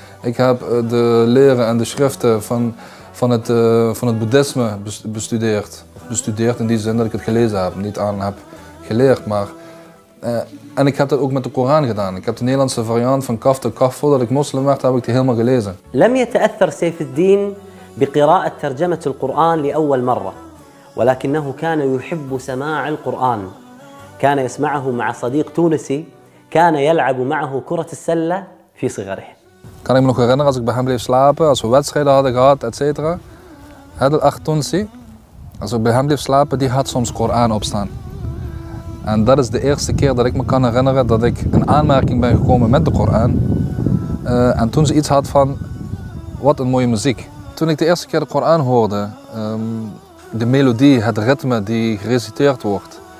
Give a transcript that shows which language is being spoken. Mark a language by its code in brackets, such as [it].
[nl] Ik heb de leren en de schriften van het Boeddhisme bestudeerd. Bestudeerd in die zin dat ik het gelezen heb, niet aan heb geleerd. En ik heb dat ook met de Koran gedaan. Ik heb de Nederlandse variant van kaf tot kaf, voordat ik moslim werd, heb ik die helemaal gelezen. [ar] لم يتأثر سيف الدين بقراءة ترجمة القرآن لأول مرة. ولكنه كان يحب سماع القرآن كان يسمعه مع صديق تونسي كان يلعب معه كرة السلة في صغره. [nl] Kan ik me nog herinneren als ik bij hem bleef slapen, als we wedstrijden hadden gehad, et cetera. Hadel Ach Tunsi, als ik bij hem bleef slapen, die had soms Koran opstaan. En dat is de eerste keer dat ik me kan herinneren dat ik in aanmerking ben gekomen met de Koran. En toen ze iets had van, wat een mooie muziek. Toen ik de eerste keer de Koran hoorde, de melodie, het ritme die gereciteerd wordt.